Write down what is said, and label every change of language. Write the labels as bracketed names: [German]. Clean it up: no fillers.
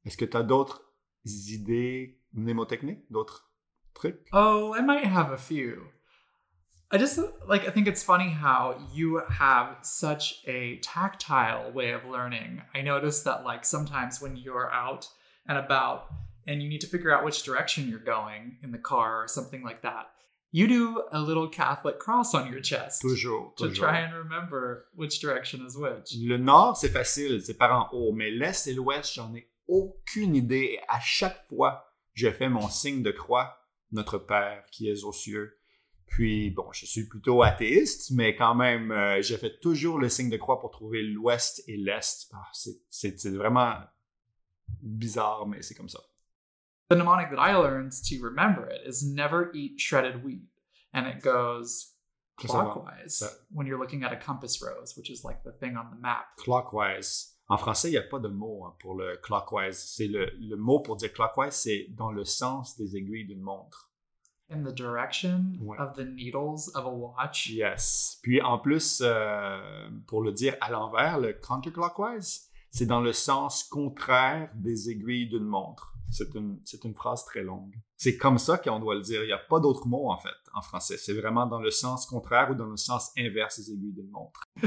[French] est-ce que tu as d'autres idées mnémotechniques? D'autres trucs? [English] Oh, I might have a few. I think it's funny how you have such a tactile way of learning. I noticed that like sometimes when you're out and about and you need to figure out which direction you're going in the car or something like that, you do a little Catholic cross on your chest. [French] Toujours. [English] Try and remember which direction is which. [French] Le nord, c'est facile, c'est par en haut, mais l'est et l'ouest, j'en ai aucune idée. Et à chaque fois, je fais mon signe de croix, notre Père qui est aux cieux. Puis, bon, je suis plutôt athéiste, mais quand même, je fais toujours le signe de croix pour trouver l'ouest et l'est. Ah, c'est vraiment bizarre, mais c'est comme ça. [English] The mnemonic that I learned to remember it is never eat shredded wheat. And it goes clockwise when you're looking at a compass rose, which is like the thing on the map. Clockwise. [French] En français, il n'y a pas de mot pour le clockwise. C'est le mot pour dire clockwise, c'est dans le sens des aiguilles d'une montre. [English] In the direction of the needles of a watch. Yes. [French] Puis en plus, pour le dire à l'envers, le counterclockwise, c'est dans le sens contraire des aiguilles d'une montre. C'est une phrase très longue. C'est comme ça qu'on doit le dire. Il n'y a pas d'autre mot, en fait, en français. C'est vraiment dans le sens contraire ou dans le sens inverse des aiguilles d'une montre.